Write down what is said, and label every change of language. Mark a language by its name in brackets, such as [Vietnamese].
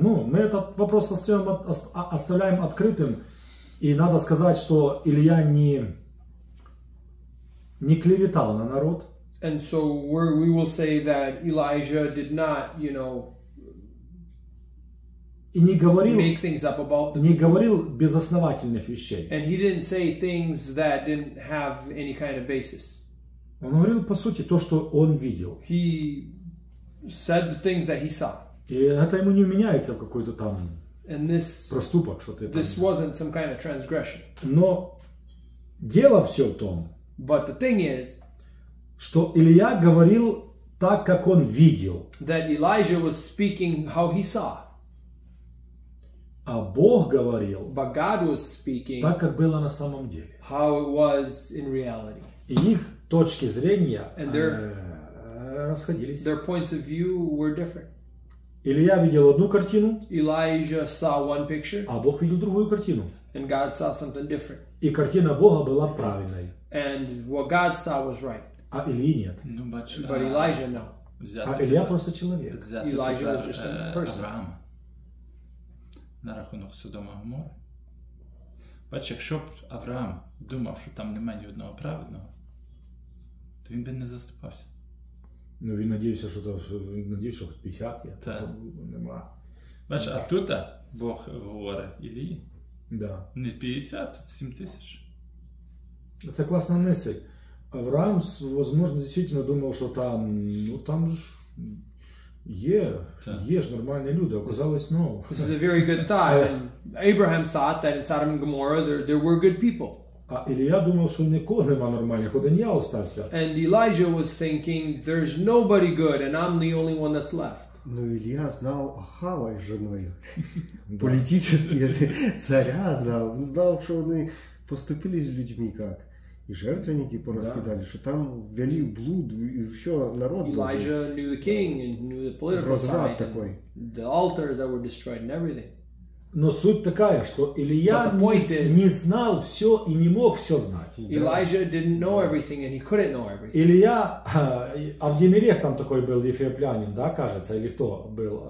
[Russian] Ну, мы этот вопрос оставляем открытым. И надо сказать, что Илья не клеветал на народ. [English] And so we will say that Elijah did not, you know, [Russian] и не говорил, [English] make things up about [Russian] не говорил безосновательных вещей. [English] And he didn't say things that didn't have any kind of basis. [Russian] Он говорил, по сути, то, что он видел. [English] He said the things that he saw. [Russian] И это ему не меняется в какой-то там проступок, что ты там. [English] This wasn't some kind of transgression. [Russian] Но дело все в том, [English] but the thing is, [Russian] что Илья говорил так, как он видел. [English] That Elijah was speaking how he saw. [Russian] А Бог говорил, [English] but God was speaking, [Russian] так, как было на самом деле. [English] How it was in reality. [Russian] И их точки зрения, [English] and their, [Russian] расходились. [English] Their points of view were different. [Russian] Илья видел одну картину, [English] Elijah saw one picture, [Russian] а Бог видел другую картину. [English] And God saw something different. [Russian] И картина Бога была правильной. [English] And what God saw was right. [Russian] А Ильи нет. Ну, [English] but Elijah, no. [Russian] А Илья просто человек. [English] Elijah was just a person. [Ukrainian] Авраам. На рахунок Содома Гоморри. Бачиш, якщо б Авраам думав, що там немає ні одного праведного, то він би не заступався. Ну, він надіявся, що то, він надіявся, що 50 є, так. То нема. Бач, а тут Бог говорить Ілії. Да. Не 50, тут 7 тисяч. Це класна мисль. Авраам, возможно, дійсно думав, що там, ну там ж є, так. Є ж нормальні люди, оказалось, ну. [English] This is a very good thought. Abraham thought that in Sodom and Gomorrah there were good people. [Ukrainian] А Ілія думав, що нікого нема нормального, один я остався. [English] And Elijah was thinking, there's nobody good, and I'm the only one that's left. [Ukrainian] Ну, Ілія знав Ахава із женою. Політичний царя знав. Він знав, що вони поступили з людьми, як. І жертвенники порозкидали, що там ввели блуд, і все, народ дуже. [English] Elijah knew the king, and knew the political side. [Ukrainian] Розрад такий. [English] The altars that were destroyed and everything. [Russian] Но суть такая, что Илья не знал все и не мог все знать. [English] Elijah didn't know everything and he couldn't know everything. [Russian] Илья, Авдимелех там такой был, ефиоплянин, да, кажется, или кто был?